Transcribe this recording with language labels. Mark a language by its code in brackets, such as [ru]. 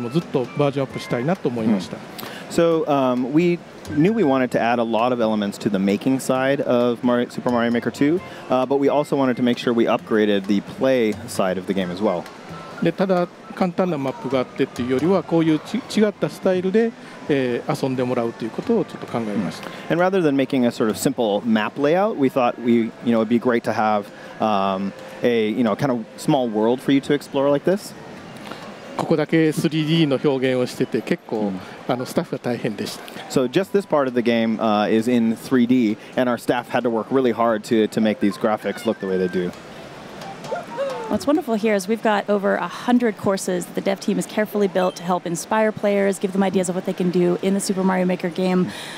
[ja] なぜ今回ストーリーモードを追加した理由について語っていただけますでしょうか。作ることに関して本当にいろんな仕掛けや敵とかいろんなものを追加したんですけども、やっぱり遊ぶことに対しても前よりもずっとバージョンアップしたいなと思いました。 [en] So we knew we wanted to add a lot of elements to the making side of Super Mario Maker 2, but we also wanted to make sure we upgraded the play side of the game as well. [ja] で、ただ簡単なマップがあってっていうよりは、こういう違ったスタイルで遊んでもらうということをちょっと考えました。 [en] And rather than making a sort of simple map layout, we thought we, you know, it'd be great to have a, you know, kind of small world for you to explore like this. [ja] ここだけ 3D の表現をしてて結構スタッフが大変でした。 [en] So just this part of the game is in 3D, and our staff had to work really hard to make these graphics look the way they do. What's wonderful here is we've got over 100 courses that the dev team has carefully built to help inspire players, give them ideas of what they can do in the Super Mario Maker game.